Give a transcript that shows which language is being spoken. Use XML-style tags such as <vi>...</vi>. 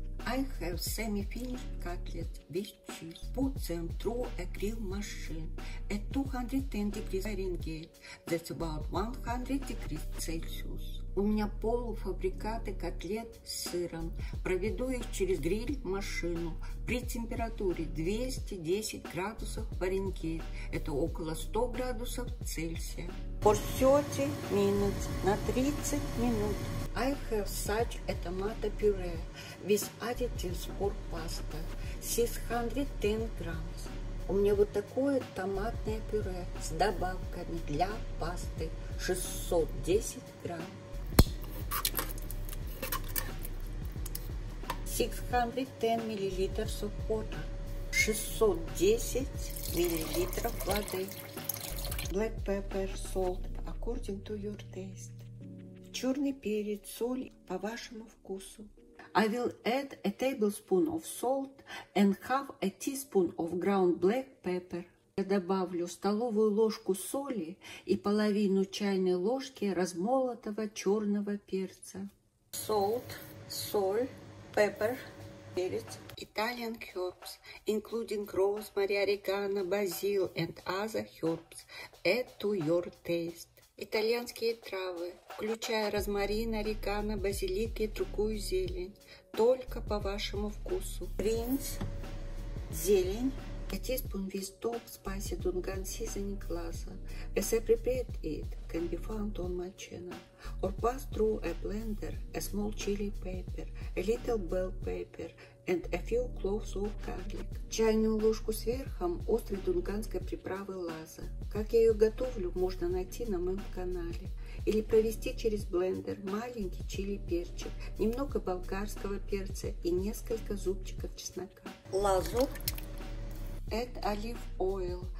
<en>I have semi-finished cutlet with cheese. Put them through a grill machine at 210 degrees Fahrenheit. That's about 100 degrees Celsius.</en> <ru>У меня полуфабрикаты котлет с сыром. Проведу их через гриль-машину при температуре 210 градусов Фаренгейт. Это около 100 градусов Цельсия.</ru> <en>For 30 minutes,</en> <ru>на 30 минут.</ru> <en>I have such a tomato puree with additives for pasta, 610 grams.</en> <ru>У меня вот такое томатное пюре с добавками для пасты, 610 грамм. 610 миллилитров сухого, 610 миллилитров воды.</ru> <en>Black pepper, salt, according to your taste.</en> <ru>Черный перец, соль по вашему вкусу.</ru> <en>I will add a tablespoon of salt and half a teaspoon of ground black pepper.</en> <ru>Я добавлю столовую ложку соли и половину чайной ложки размолотого черного перца.</ru> <en>Salt,</en> <ru>соль,</ru> <en>pepper,</en> <ru>перец.</ru> <en>Italian herbs, including rosemary, oregano, basil and other herbs. Add to your taste.</en> <ru>Итальянские травы, включая розмарин, орегано, базилик и другую зелень. Только по вашему вкусу.</ru> <en>Greens,</en> <ru>зелень.</ru> <en>A teaspoon with top spicy dungan seasoning glaza. As I prepared it, can be found on my channel. Or pass through a blender, a small chili pepper, a little bell pepper, and a few cloves of garlic.</en> <ru>Чайную ложку сверхом острой дунганской приправы лаза. Как я ее готовлю, можно найти на моем канале. Или провести через блендер маленький чили перчик, немного болгарского перца и несколько зубчиков чеснока. Лазу.</ru> <en>Add olive oil.</en>